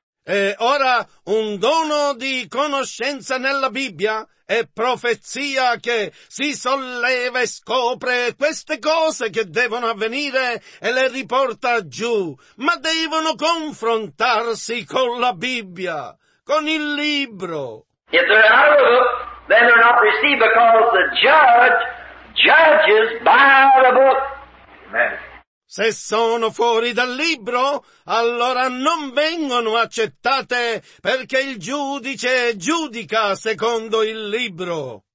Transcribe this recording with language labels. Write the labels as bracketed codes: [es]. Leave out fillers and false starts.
[it] E ora un dono di conoscenza nella Bibbia è profezia che si solleva e scopre queste cose che devono avvenire e le riporta giù, ma devono confrontarsi con la Bibbia, con il libro. [en] If they're out of the book, then they're not received because the judge judges by the book. [it] Se sono fuori dal libro, allora non vengono accettate perché il giudice giudica secondo il libro.